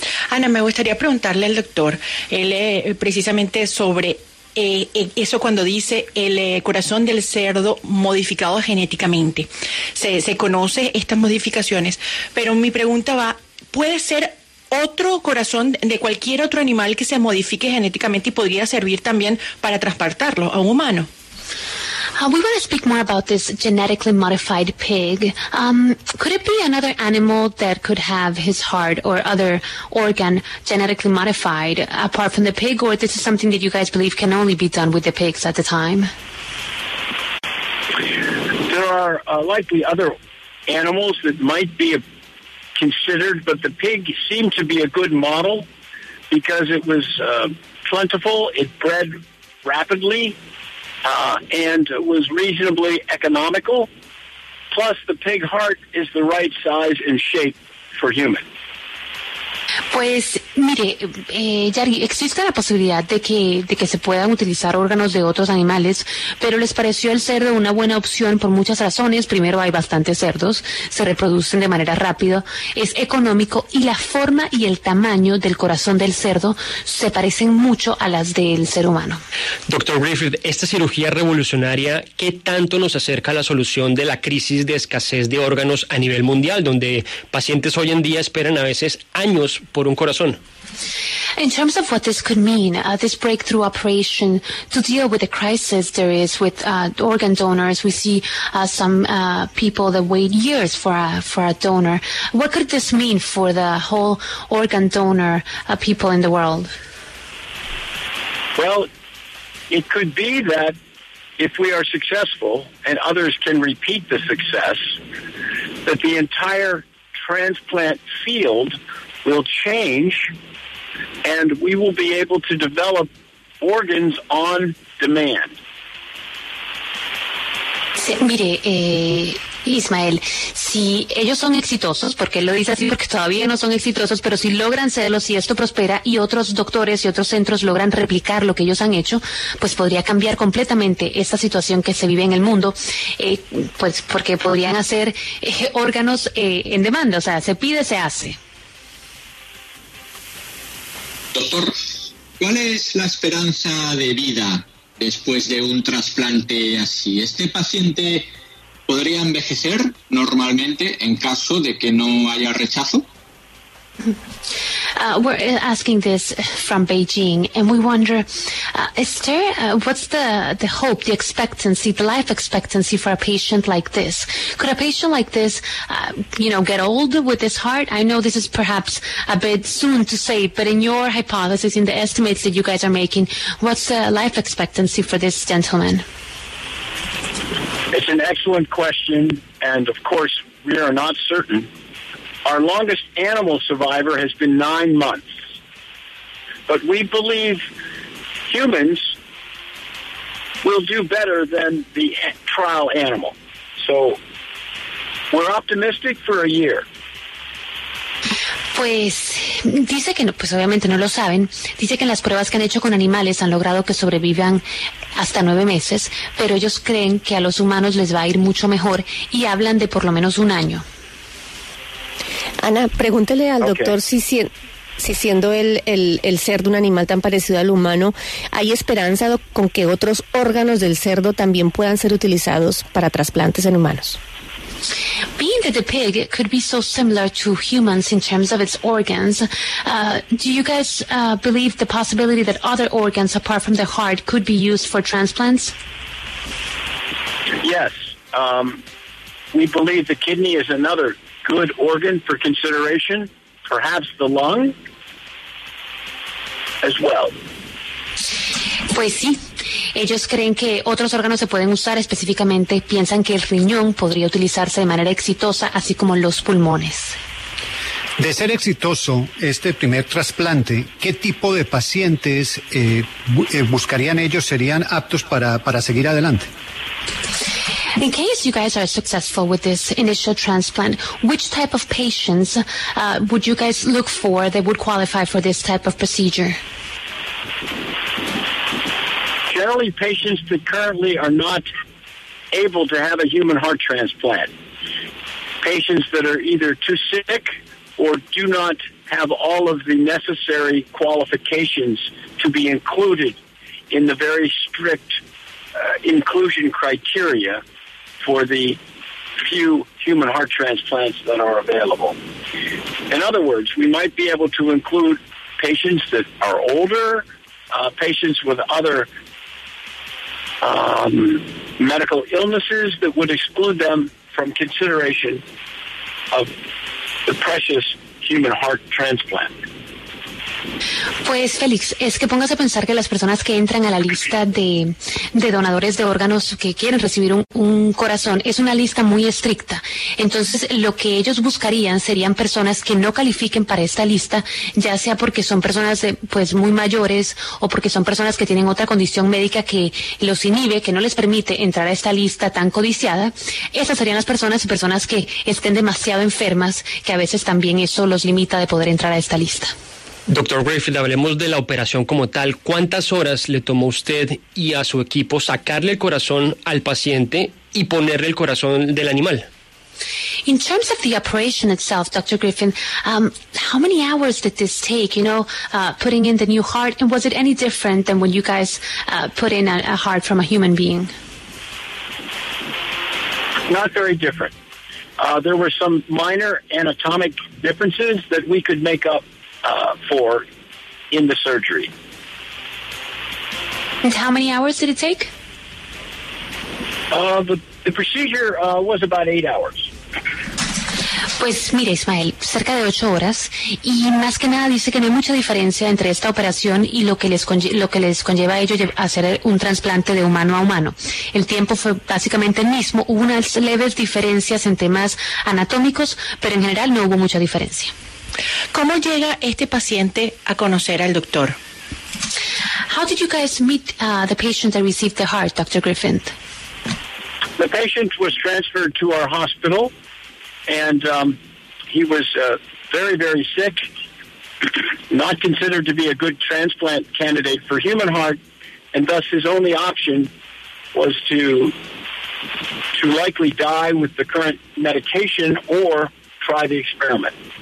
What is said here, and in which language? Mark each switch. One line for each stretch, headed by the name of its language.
Spanish: Ana, me gustaría preguntarle al doctor, precisamente sobre eso cuando dice el corazón del cerdo modificado genéticamente. Se conoce estas modificaciones, pero mi pregunta va, ¿puede ser otro corazón de cualquier otro animal que se modifique genéticamente y podría servir también para transplantarlo a un humano?
English: We want to speak more about this genetically modified pig. Could it be another animal that could have his heart or other organ genetically modified apart from the pig, or this is something that you guys believe can only be done with the pigs at the time? There are likely other animals that might be considered, but the pig seemed to be a good model because it was plentiful, it bred rapidly, and was reasonably economical. Plus, the pig heart is the right size and shape for human.
Spanish: Pues mire, Yari, existe la posibilidad de que se puedan utilizar órganos de otros animales, pero les pareció el cerdo una buena opción por muchas razones. Primero, hay bastantes cerdos, se reproducen de manera rápida, es económico, y la forma y el tamaño del corazón del cerdo se parecen mucho a las del ser humano. Doctor Griffith, esta cirugía revolucionaria, ¿qué tanto nos acerca a la solución de la crisis de escasez de órganos a nivel mundial, donde pacientes hoy en día esperan a veces años por un corazón?
English: In terms of what this could mean, this breakthrough operation to deal with the crisis there is with organ donors, we see people that wait years for a donor. What could this mean for the whole organ donor people in the world? Well, it could be that if we are successful and others can repeat the success, that the entire transplant field will change, and we will be able to develop organs on demand.
Spanish: Mire, Ismael, si ellos son exitosos, porque él lo dice así porque todavía no son exitosos, pero si logran serlo, si esto prospera y otros doctores y otros centros logran replicar lo que ellos han hecho, pues podría cambiar completamente esta situación que se vive en el mundo, pues porque podrían hacer órganos en demanda, o sea, se pide, se hace. Doctor, ¿cuál es la esperanza de vida después de un trasplante así? ¿Este paciente podría envejecer normalmente en caso de que no haya rechazo?
English: We're asking this from Beijing, and we wonder, is there, what's the hope, the expectancy, the life expectancy for a patient like this? Could a patient like this, you know, get old with this heart? I know this is perhaps a bit soon to say, but in your hypothesis, in the estimates that you guys are making, what's the life expectancy for this gentleman? It's an excellent question, and of course, we are not certain. Our longest animal survivor has been 9 months. But we believe humans will do better than the trial animal. So we're optimistic for a year.
Spanish: Pues dice que no, pues obviamente no lo saben. Dice que en las pruebas que han hecho con animales han logrado que sobrevivan hasta 9 meses, pero ellos creen que a los humanos les va a ir mucho mejor y hablan de por lo menos un año. Ana, pregúntele al doctor si siendo el cerdo un animal tan parecido al humano, ¿hay esperanza con que otros órganos del cerdo también puedan ser utilizados para trasplantes en humanos?
English: Being that the pig could be so similar to humans in terms of its organs, do you guys believe the possibility that other organs apart from the heart could be used for transplants? Yes. We believe the kidney is another good organ for consideration, perhaps the lung as well.
Spanish: Pues sí, ellos creen que otros órganos se pueden usar, específicamente piensan que el riñón podría utilizarse de manera exitosa, así como los pulmones. De ser exitoso este primer trasplante, ¿qué tipo de pacientes buscarían ellos, serían aptos para seguir adelante?
English: In case you guys are successful with this initial transplant, which type of patients would you guys look for that would qualify for this type of procedure? Generally, patients that currently are not able to have a human heart transplant. Patients that are either too sick or do not have all of the necessary qualifications to be included in the very strict inclusion criteria for the few human heart transplants that are available. In other words, we might be able to include patients that are older, patients with other medical illnesses that would exclude them from consideration of the precious human heart transplant.
Spanish: Pues, Félix, es que póngase a pensar que las personas que entran a la lista de donadores de órganos que quieren recibir un corazón es una lista muy estricta. Entonces, lo que ellos buscarían serían personas que no califiquen para esta lista, ya sea porque son personas pues muy mayores o porque son personas que tienen otra condición médica que los inhibe, que no les permite entrar a esta lista tan codiciada. Esas serían las personas que estén demasiado enfermas, que a veces también eso los limita de poder entrar a esta lista. Doctor Greyfield, hablemos de la operación como tal. ¿Cuántas horas le tomó a usted y a su equipo sacarle el corazón al paciente y ponerle el corazón del animal?
English: In terms of the operation itself, Dr. Griffin, how many hours did this take, you know, putting in the new heart? And was it any different than when you guys put in a heart from a human being? Not very different. There were some minor anatomic differences that we could make up for in the surgery. And how many hours did it take? The procedure was about 8 hours.
Spanish: Pues mire, Ismael, cerca de 8 horas, y más que nada dice que no hay mucha diferencia entre esta operación y lo que les conlleva a ellos hacer un trasplante de humano a humano. El tiempo fue básicamente el mismo, hubo unas leves diferencias en temas anatómicos, pero en general no hubo mucha diferencia. ¿Cómo llega este paciente a conocer al doctor?
English: How did you guys meet the patient that received the heart, Dr. Griffin? The patient was transferred to our hospital, and he was very, very sick, not considered to be a good transplant candidate for human heart, and thus his only option was to likely die with the current medication or try the experiment.